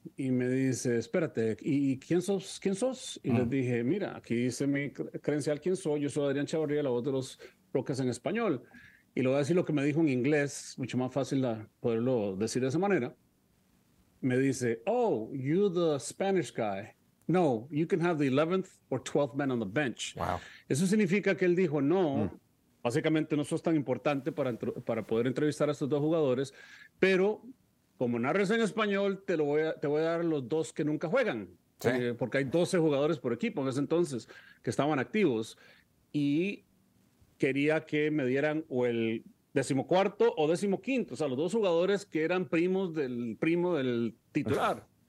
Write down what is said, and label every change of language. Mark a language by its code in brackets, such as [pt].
[es] Y me dice, espérate, ¿y quién sos? ¿Quién sos? Y les dije, mira, aquí dice mi credencial, ¿quién soy? Yo soy Adrián Chavarria, la voz de los Rockets en español. Y le voy a decir lo que me dijo en inglés, mucho más fácil poderlo decir de esa manera. Me dice, [en] oh, you're the Spanish guy. No, you can have the 11th or 12th man on the bench. Wow. [es] Eso significa que él dijo, no, básicamente no sos tan importante para poder entrevistar a estos dos jugadores, pero como narres en español, te voy a dar los dos que nunca juegan, ¿sí? Porque hay 12 jugadores por equipo en ese entonces que estaban activos y quería que me dieran o el 14º o 15º, o sea, los dos jugadores que eran primos del primo del titular.